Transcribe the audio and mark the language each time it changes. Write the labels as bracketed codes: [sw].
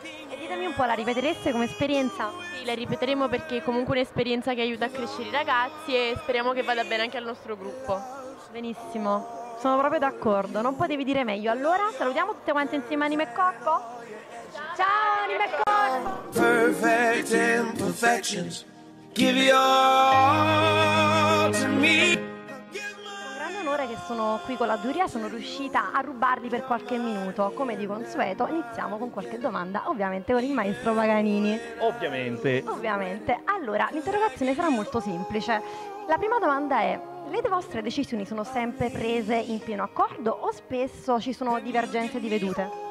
[it] E ditemi un po', la ripetereste come esperienza? Sì, la ripeteremo perché è comunque un'esperienza che aiuta a crescere i ragazzi e speriamo che vada bene anche al nostro gruppo. Benissimo, sono proprio d'accordo, non potevi dire meglio. Allora, salutiamo tutte quante insieme Anima e Corpo. Ciao Anima e Corpo! [en] Perfect imperfections, give your all to me. [it] Che sono qui con la giuria, sono riuscita a rubarli per qualche minuto. Come di consueto, iniziamo con qualche domanda, ovviamente con il maestro Paganini. Ovviamente. Allora, l'interrogazione sarà molto semplice. La prima domanda è: le vostre decisioni sono sempre prese in pieno accordo o spesso ci sono divergenze di vedute?